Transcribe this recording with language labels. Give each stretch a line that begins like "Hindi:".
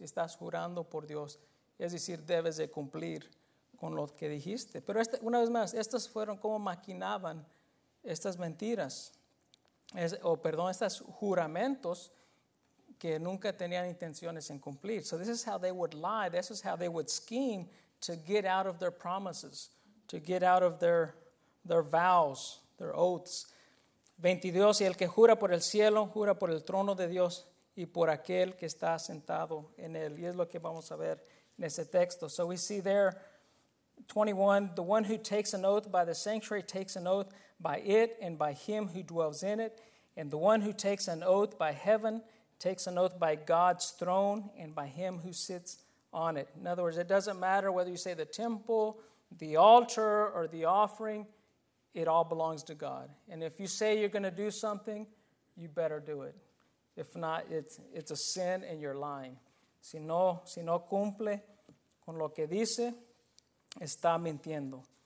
Spanish: Estás jurando por Dios, es decir, debes de cumplir con lo que dijiste. Pero una vez más, estas fueron como maquinaban estas mentiras, estos juramentos que nunca tenían intenciones en cumplir.
English: So this is how they would lie. This is how they would scheme to get out of their promises, to get out of their vows, their oaths.
Spanish: 22, y el que jura por el cielo, jura por el trono de Dios y por aquel que está sentado en él. Y es lo que vamos a ver en ese texto.
English: So we see there, 21, the one who takes an oath by the sanctuary takes an oath by it and by him who dwells in it. And the one who takes an oath by heaven takes an oath by God's throne and by him who sits on it. In other words, it doesn't matter whether you say the temple, the altar, or the offering. It all belongs to God. And if you say you're going to do something, you better do it. If not, it's a sin and you're lying.
Spanish: Si no cumple con lo que dice, está mintiendo.